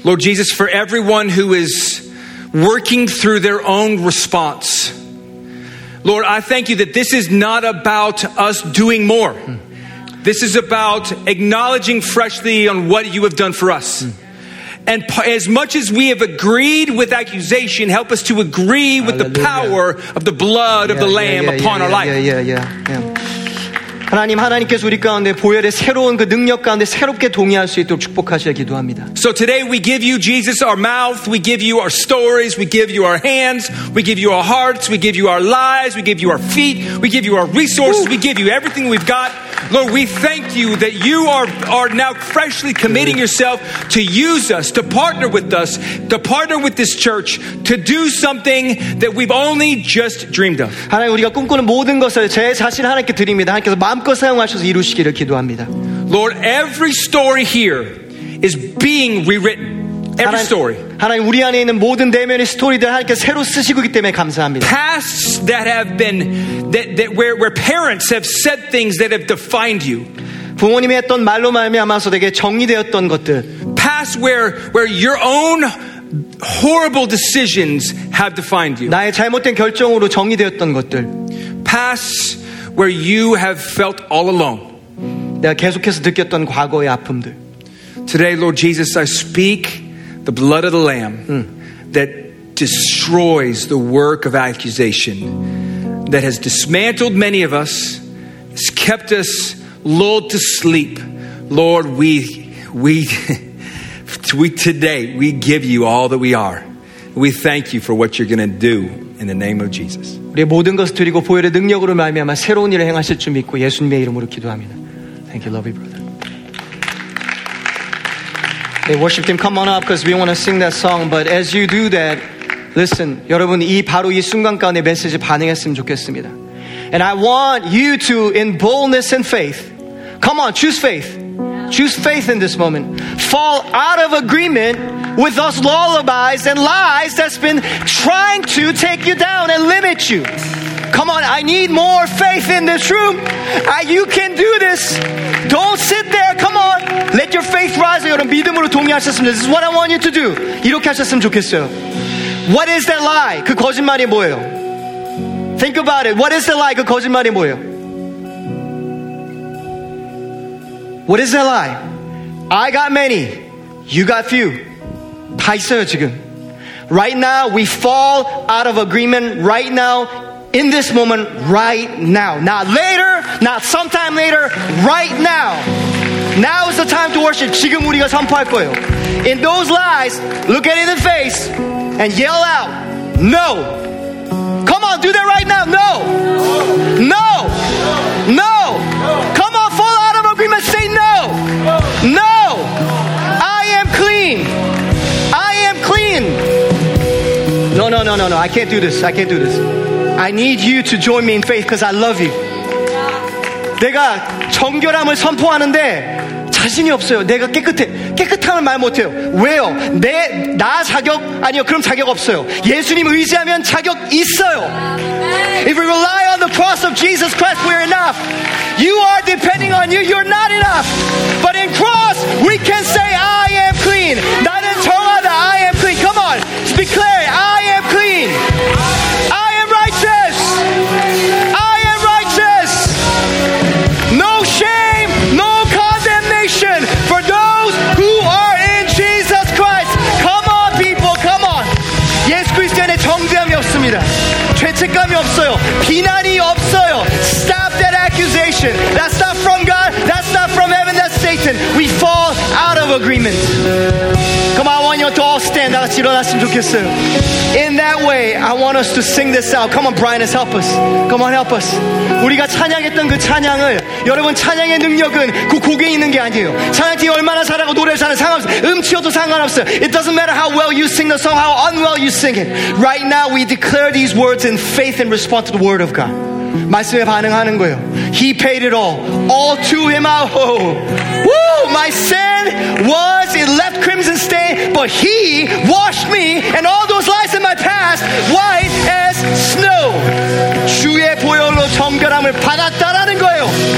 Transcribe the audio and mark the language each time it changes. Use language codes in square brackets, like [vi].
[en] Lord Jesus, for everyone who is working through their own response, Lord, I thank you that this is not about us doing more. This is about acknowledging freshly on what you have done for us. And as much as we have agreed with accusation, help us to agree with Hallelujah. The power of the blood of the Lamb upon our life. Yeah. [ko] 하나님, 하나님께서 우리 가운데 보혈의 새로운 그 능력 가운데 새롭게 동의할 수 있도록 축복하시길 기도합니다. [en] So today we give you, Jesus, our mouth. We give you our stories. We give you our hands. We give you our hearts. We give you our lives. We give you our feet. We give you our resources. Ooh. We give you everything we've got. Lord, we thank you that you are now freshly committing yourself to use us, to partner with this church, to do something that we've only just dreamed of. [ko] 하나님, 우리가 꿈꾸는 모든 것을 제 자신 하나님께 드립니다. 하나님께서 마음껏 사용하셔서 이루시기를 기도합니다. [en] Lord, every story here is being rewritten. Every story. [ko] 하나님, 우리 안에 있는 모든 내면의 스토리들 하나님께 새로 쓰시고 있기 때문에 감사합니다. [en] Pasts that have been where parents have said things that have defined you. [ko] 부모님이 했던 말로 말미암아서 되게 정리되었던 것들. [en] Past where your own horrible decisions have defined you. [ko] 나의 잘못된 결정으로 정리되었던 것들. [en] Past where you have felt all alone. [ko] 내가 계속해서 느꼈던 과거의 아픔들. [en] Today, Lord Jesus, I speak the blood of the Lamb that destroys the work of accusation that has dismantled many of us, has kept us lulled to sleep. Lord, we today give you all that we are. We thank you for what you're going to do in the name of Jesus. [ko] 우리 모든 것을 드리고 보혈의 능력으로 말미암아 새로운 일을 행하실 줄 믿고 예수님의 이름으로 기도합니다. [en] Thank you, lovely brother. Hey, worship team, come on up because we want to sing that song. But as you do that, [ko] Listen, 여러분 이 바로 이 순간 가운데 메시지 반응했으면 좋겠습니다. [en] And I want you to, in boldness and faith, come on, choose faith. Choose faith in this moment. Fall out of agreement with those lullabies and lies that's been trying to take you down and limit you. Come on, I need more faith in this room. You can do this. Don't sit there. Come on. Let your faith rise. [ko] 여러분, 믿음으로 동의하셨습니다. [en] This is what I want you to do. [ko] 이렇게 하셨으면 좋겠어요. [en] What is that lie? [ko] 그 거짓말이 뭐예요? [en] Think about it. What is the lie? [ko] 그 거짓말이 뭐예요? [en] What is that lie? I got many. You got few. [ko] 다 있어요, 지금. [en] Right now, we fall out of agreement. Right now, in this moment, right now. Not later, not sometime later, right now. Now is the time to worship. 지금 우리가 선포할 거예요. In those lies, look it in the face and yell out, no. Come on, do that right now. No. No. No. Come on, fall out of agreement. Say no. No. I am clean. I am clean. No, no, no, no, no. I can't do this. I can't do this. I need you to join me in faith because I love you. [ko] 내가 정결함을 선포하는데 자신이 없어요. 내가 깨끗해. 깨끗함을 말 못해요. 왜요? 나 자격 아니요. 그럼 자격 없어요. 예수님 의지하면 자격 있어요. [en] If we rely on the cross of Jesus Christ, we're enough. You are depending on you. You're not enough. But in cross, we can say, I am clean. [ko] 나는 정하다. [en] I am clean. Come on. Declare, I am clean. I am righteous. I am righteous. No shame, no condemnation for those who are in Jesus Christ. Come on, people. Come on. [ko] 예수 그리스도의 정죄함이 없습니다. 죄책감이 없어요. 비난이 없어요. [en] Stop that accusation. That's not from God. That's not from heaven. That's Satan. We fall out of agreement. Come on, I want you to all stand. [ko] 다 같이 일어났으면 좋겠어요. [en] In that way, I want us to sing this out. Come on, Brian, help us. Come on, help us. [ko] 우리가 찬양했던 그 찬양을 여러분 찬양의 능력은 그 곡에 있는 게 아니에요. 찬양팀이 얼마나 잘하고 노래를 잘하는 상관없어요. 음치여도 상관없어요. [en] It doesn't matter how well you sing the song, how unwell you sing it. Right now, we declare these words in faith and respond to the word of God. [ko] 말씀에 반응하는 거예요. [en] He paid it all. All to him I owe. Woo! My sin was, it left crimson stain, but he washed me and all those lies in my past white as snow. [ko] 주의 보혈로 정결함을 받았다라는 거예요.